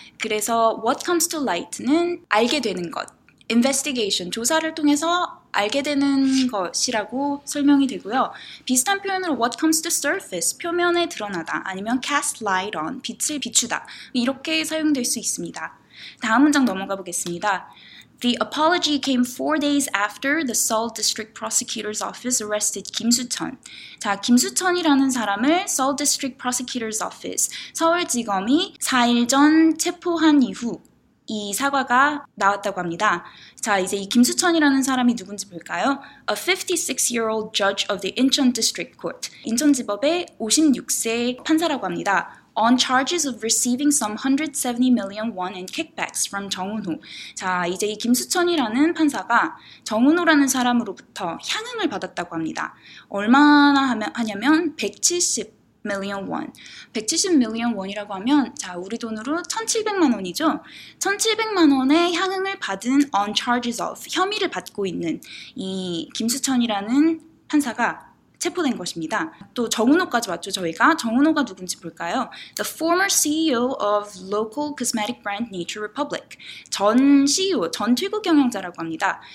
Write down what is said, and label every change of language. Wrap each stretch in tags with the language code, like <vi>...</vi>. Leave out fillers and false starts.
<ko>그래서</ko> <en>what comes to light</en> <ko>는 알게 되는 것, investigation, 조사를 통해서 알게 되는 것이라고 설명이 되고요. 비슷한 표현으로</ko> <en>what comes to surface,</en> <ko>표면에 드러나다, 아니면</ko> <en>cast light on,</en> <ko>빛을 비추다, 이렇게 사용될 수 있습니다. 다음 문장 넘어가 보겠습니다.</ko> <en>The apology came 4 days after the Seoul District Prosecutor's Office arrested Kim Soo-chun.</en> <ko>자, 김수천이라는 사람을 Seoul District Prosecutor's Office, 서울지검이 4일 전 체포한 이후 이 사과가 나왔다고 합니다. 자, 이제 이 김수천이라는 사람이 누군지 볼까요?</ko> <en>A 56-year-old judge of the Incheon District Court.</en> <ko>인천지법의 56세 판사라고 합니다.</ko> <en>On charges of receiving some 170 million won in kickbacks from 정은호.</en> <ko>자, 이제 이 김수천이라는 판사가 정은호라는 사람으로부터 향응을 받았다고 합니다. 얼마나 하냐면</ko> <en>170 million won. 170 million won</en> <ko>이라고 하면 자, 우리 돈으로 1,700만 원이죠. 1,700만 원의 향응을 받은</ko> <en>on charges of</en> <ko>혐의를 받고 있는 이 김수천이라는 판사가 체포된 것입니다. 또 정은호까지 왔죠, 저희가. 정은호가 누군지 볼까요?</ko> <en>The former CEO of local cosmetic brand Nature Republic.</en> <ko>전 CEO, 전 최고 경영자라고 합니다.</ko>